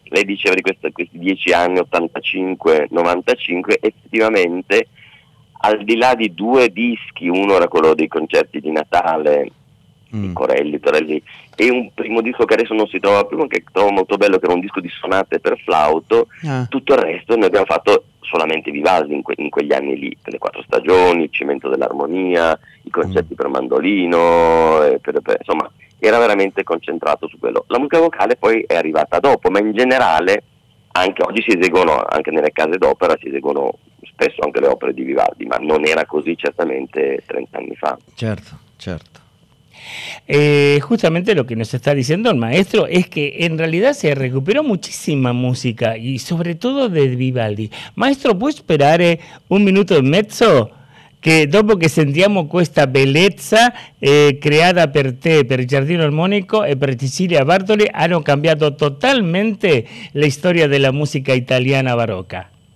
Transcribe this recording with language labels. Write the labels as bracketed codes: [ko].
[it] Lei diceva di questi 10 anni, 85-95, effettivamente al di là di due dischi, uno era quello dei concerti di Natale di Corelli, e un primo disco che adesso non si trova più, che trovo molto bello, che era un disco di sonate per flauto, tutto il resto noi abbiamo fatto solamente Vivaldi in quegli anni lì, le quattro stagioni, il cemento dell'armonia, i concerti per mandolino, insomma era veramente concentrato su quello. La musica vocale poi è arrivata dopo, ma in generale anche oggi si eseguono, anche nelle case d'opera si eseguono spesso anche le opere di Vivaldi, ma non era così certamente 30 anni fa. Certo, certo. [es] Justamente lo que nos está diciendo el maestro es que en realidad se recuperó muchísima música y sobre todo de Vivaldi. Maestro, ¿puedo esperar un minuto y medio? [it] che dopo che sentiamo questa bellezza creata per te, per Giardino Armonico e per Cecilia Bartoli, hanno cambiato totalmente la storia della musica italiana barocca.